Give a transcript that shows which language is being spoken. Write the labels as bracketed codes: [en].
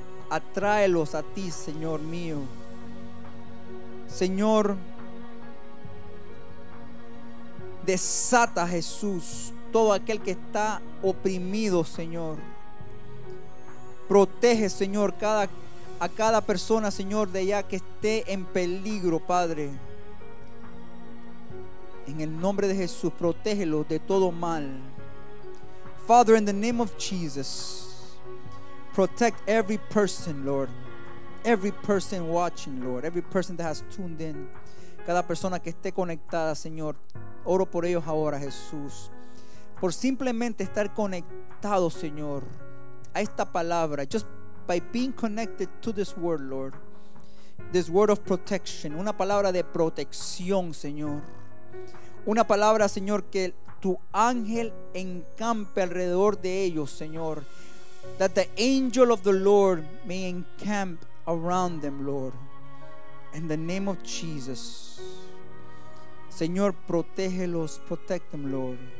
[es] Atráelos a ti, Señor mío. Señor, desata, Jesús, todo aquel que está oprimido, Señor. Protege, Señor, a cada persona, Señor, de allá que esté en peligro, Padre. En el nombre de Jesús, protégelos de todo mal. [en] Father, in the name of Jesus, protect every person, Lord. Every person watching, Lord. Every person that has tuned in. [es] Cada persona que esté conectada, Señor. Oro por ellos ahora, Jesús. Por simplemente estar conectado, Señor, a esta palabra. [en] Just by being connected to this word, Lord. This word of protection. [es] Una palabra de protección, Señor. Una palabra, Señor, que tu ángel encampe alrededor de ellos, Señor. [en] That the angel of the Lord may encamp around them, Lord. In the name of Jesus. [es] Señor, protégelos, [en] protect them, Lord.